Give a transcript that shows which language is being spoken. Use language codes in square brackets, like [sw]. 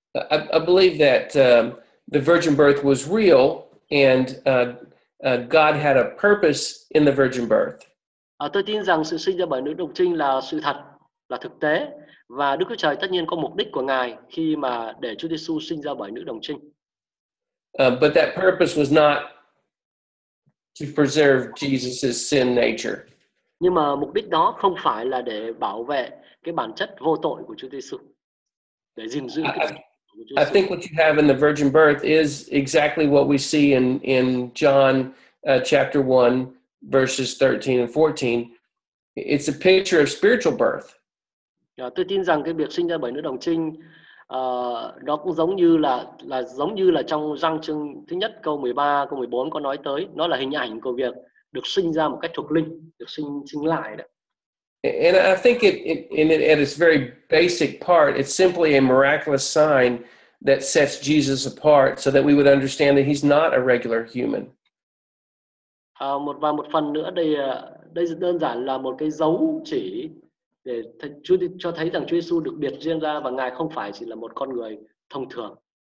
[en] I believe that the virgin birth was real and God had a purpose in the virgin birth. [vi] Tôi tin rằng sự sinh ra bởi nữ đồng trinh là sự thật, là thực tế, và Đức Chúa Trời tất nhiên có mục đích của Ngài khi mà để Chúa Giêsu sinh ra bởi nữ đồng trinh. [en] But that purpose was not to preserve Jesus's sin nature. [vi] Nhưng mà mục đích đó không phải là để bảo vệ cái bản chất vô tội của Chúa Giêsu, để gìn giữ cái sự của Chúa [en] Giêsu. I think what you have in the virgin birth is exactly what we see in John chapter 1. Verses 13 and 14, it's a picture of spiritual birth. [vi] Yeah, tôi tin rằng cái việc sinh ra bởi nữ đồng trinh, nó cũng giống như là trong răng chương thứ nhất câu 13, câu 14 có nói tới, nó là hình ảnh của việc được sinh ra một cách thuộc linh, được sinh lại đó. [en] And I think it at its very basic part, it's simply a miraculous sign that sets Jesus apart, so that we would understand that he's not a regular human. [vi] Một phần nữa đây đơn giản là một cái dấu chỉ để cho thấy rằng Chúa Giêsu được biệt riêng ra và Ngài không phải chỉ là một con người thông thường.